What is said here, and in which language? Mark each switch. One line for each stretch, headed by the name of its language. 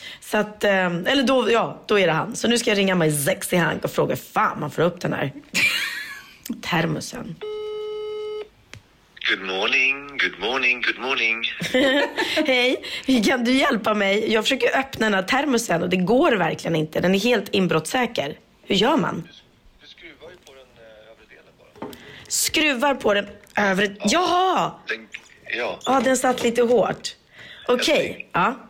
Swedish: Så att, eller då, ja, då är det han. Så nu ska jag ringa mig sexy Hank och fråga, fan man får upp den här termosen.
English: Good morning, good morning, good morning.
Swedish: Hej, kan du hjälpa mig? Jag försöker öppna den här termosen och det går verkligen inte. Den är helt inbrottssäker. Hur gör man? Du skruvar ju på den övre delen bara. Skruvar på den övre, ja. Ja, den satt lite hårt. Okej, ja.